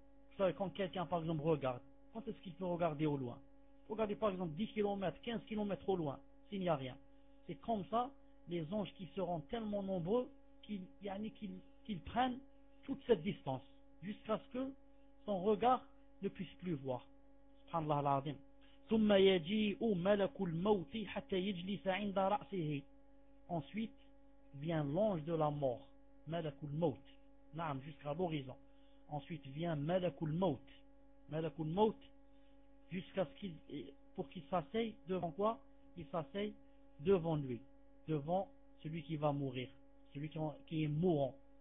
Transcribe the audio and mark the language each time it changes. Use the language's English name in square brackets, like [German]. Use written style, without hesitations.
[French] Vous savez, quand quelqu'un, par exemple, regarde, quand est-ce qu'il peut regarder au loin? Regardez, par exemple, 10 km, 15 km au loin, s'il n'y a rien. C'est comme ça, les anges qui seront tellement nombreux qu'ils prennent toute cette distance jusqu'à ce que son regard ne puisse plus voir. [Arabic] Subhanallah al-Azim. ثم يجيء ملك الموت حتى يجلس عند رأسه. [French] Ensuite, vient l'ange de la mort, Malakul Maut, Naam, jusqu'à l'horizon. Ensuite vient Malakul Maut, Malakul Maut, jusqu'à ce qu'il, pour qu'il s'asseye devant quoi? Il s'asseye devant lui, devant celui qui va mourir, celui qui est mourant.